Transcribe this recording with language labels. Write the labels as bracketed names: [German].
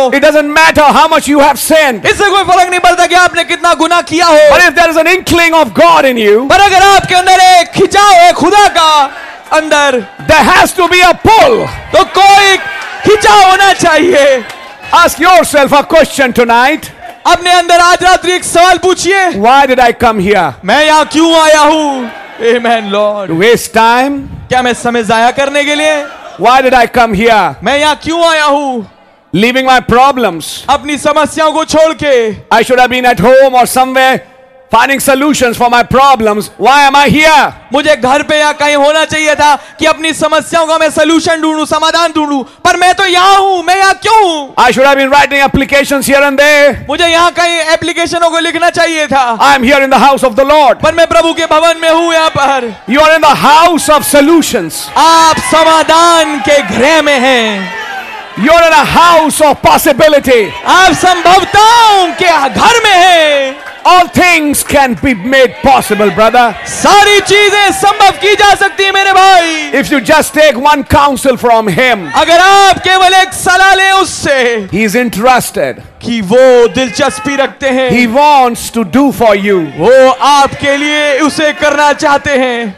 [English] It doesn't matter how much you have sinned. [Hindi] इससे कोई फर्क नहीं पड़ता कि आपने कितना गुनाह किया हो. [English] But if there is an inkling of God in you. [Hindi] पर अगर आपके अंदर एक खिंचाव है खुदा का अंदर, [English] there has to be a pull. [Hindi] तो कोई खिंचाव होना चाहिए. [English] Ask yourself a question tonight. [Hindi] अपने अंदर आज रात्रि एक सवाल पूछिए. [English] Why did I come here? [Hindi] मैं यहाँ क्यों आया हूँ? [English] Amen, Lord. To waste time? [Hindi] क्या मैं समय जाया करने के लिए? [English] Why did I come here? [Hindi] मैं यहाँ क्यों आया हूँ? [English] Leaving my problems. [Hindi] अपनी समस्याओं को छोड़ के. [English] I should have been at home or somewhere. Finding solutions for my problems. Why am I here? [Hindi] मुझे घर पे या कहीं होना चाहिए था कि अपनी समस्याओं का मैं सलूशन ढूंढूं, समाधान ढूंढूं, पर मैं तो यहाँ हूँ. मैं यहाँ क्यों? [English] I should have been writing applications here and there. [Hindi] मुझे यहाँ कहीं एप्लीकेशनों को लिखना चाहिए था. [English] I am here in the house of the Lord. [Hindi] पर मैं प्रभु के भवन में हूँ यहाँ पर. [English] You are in the house of solutions. [Hindi] आप समाधान के घर में हैं. [English] You are in a house of possibility. [Hindi] आप संभवताओं के घर में हैं. [English] All things can be made possible, brother. [Hindi] सारी चीजें संभव की जा सकती है मेरे भाई. [English] If you just take one counsel from him, [Hindi] अगर आप केवल एक सलाह लें उससे, [English] he is interested. [Hindi] कि वो दिलचस्पी रखते हैं. [English] He wants to do for you. [Hindi] वो आपके लिए उसे करना चाहते हैं.